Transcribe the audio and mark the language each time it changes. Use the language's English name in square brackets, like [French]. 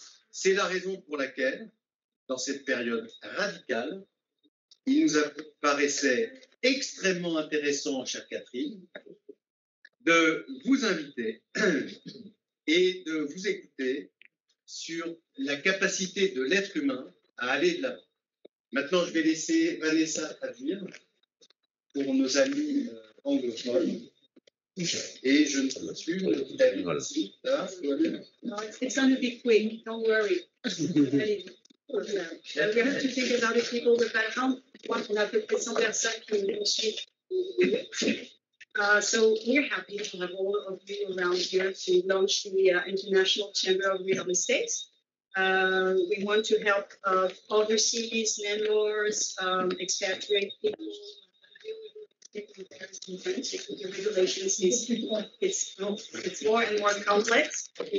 [French] C'est la raison pour laquelle, dans cette période radicale, il nous paraissait extrêmement intéressant, chère Catherine, de vous inviter et de vous écouter sur la capacité de l'être humain à aller de l'avant. Maintenant, je vais laisser Vanessa traduire pour nos amis anglophones. Et je ne suis plus d'avis. Voilà. [English] No, it's going to be quick, don't worry. We have to think about the people with background. [French] On a à peu près 100 personnes qui nous suivent. [English] So we're happy to have all of you around here to launch the International Chamber of Real Estate. We want to help overseas landlords, expatriate people. The regulations it's more and more complex.